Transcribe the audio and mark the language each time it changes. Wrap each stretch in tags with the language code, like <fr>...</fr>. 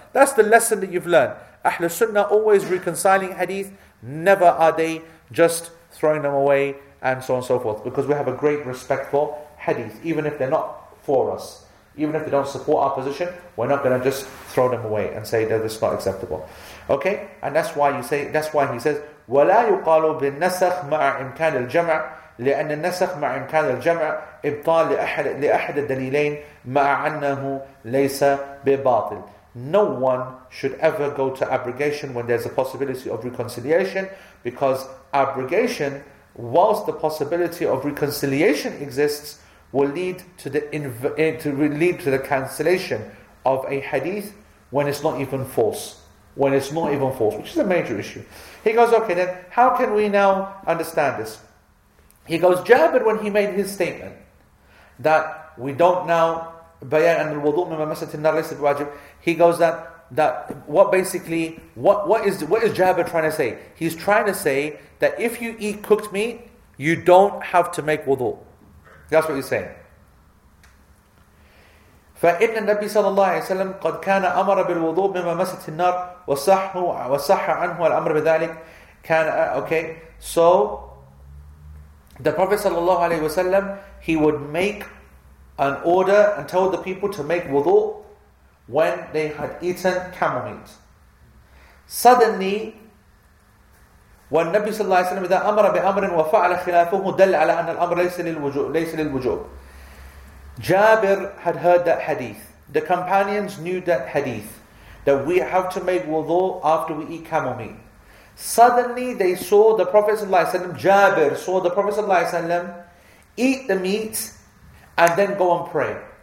<en>That's the lesson that you've learned. Ahlul Sunnah always reconciling hadith, never are they just throwing them away and so on and so forth. Because we have a great respect for hadith, even if they're not for us. Even if they don't support our position, we're not going to just throw them away and say that it's not acceptable. Okay?</en> <ar>And that's why he says, وَلَا يُقَالُ بِالنَّسَخْ مَعَ إِمْكَانِ الْجَمْعِ لأن النسخ مع إمكان الجمع إبطال لأحد الدليلين مع أنه ليس بباطل.</ar> <en>no one should ever go to abrogation when there's a possibility of reconciliation, because abrogation, whilst the possibility of reconciliation exists, will lead to the cancellation of a hadith when it's not even false. When it's not even false, which is a major issue. He goes, okay, then how can we now understand this? He goes, Jabir, when he made his statement that we don't now bayan and</en> <ar>al-wudu' mimma masat an-nar laysa biwajib,</ar> <en>he goes what is Jabir trying to say? He's trying to say that if you eat cooked meat, you don't have to make wudu. That's what he's saying.</en> <ar>فإن النبي صلى الله عليه وسلم قد كان أمر بالوضوء مما مست النار وصح عنه الأمر بذلك كان okay.</ar> <en>So the Prophet صلى الله عليه وسلم, he would make an order and tell the people to make wudu when they had eaten camel meat.</en> <ar>Suddenly والنبي صلى الله عليه وسلم إذا أمر بأمر وفعل خلافه دل على أن الأمر ليس للوجوب.</ar> <en>Jabir had heard that hadith. The companions knew that hadith, that we have to make wudu after we eat camel meat. Suddenly they saw the Prophet ﷺ, Jabir saw the Prophet ﷺ eat the meat and then go and pray.</en>